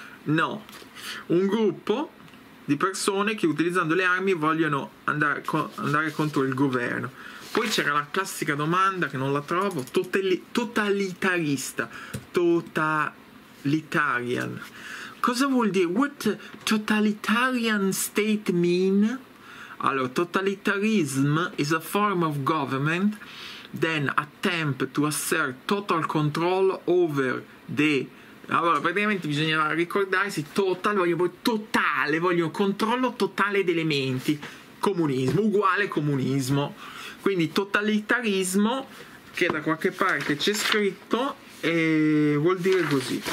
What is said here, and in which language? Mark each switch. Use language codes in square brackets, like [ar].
[it] No, un gruppo di persone che utilizzando le armi vogliono andare, andare contro il governo. Poi c'era la classica domanda che non la trovo, totalitarista, totalitarian. Cosa vuol dire? [en] What totalitarian state mean? Allora, totalitarism is a form of government then attempt to assert total control over the... [it] Allora, praticamente bisogna ricordarsi total, voglio totale, voglio controllo totale delle menti. Comunismo, uguale comunismo. Quindi totalitarismo, che da qualche parte c'è scritto, vuol dire così.